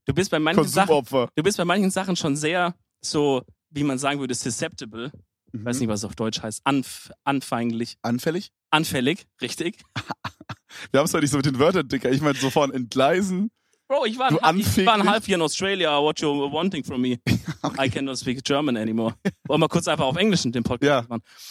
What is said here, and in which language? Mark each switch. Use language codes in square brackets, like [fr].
[de] Du bist bei manchen Konsumopfer. Sachen, du bist bei manchen Sachen schon sehr so, wie man sagen würde, susceptible. Mhm. Weiß nicht, was es auf Deutsch heißt. Anfänglich. Anfällig? Anfällig, richtig. Wir haben es heute nicht so mit den Wörtern, Dicker. Ich meine, so von entgleisen. Bro, ich war ein [en] half year in Australia. What you wanting from me? Okay. I cannot speak German anymore. [de] Wollen wir kurz einfach auf Englisch in den Podcast machen?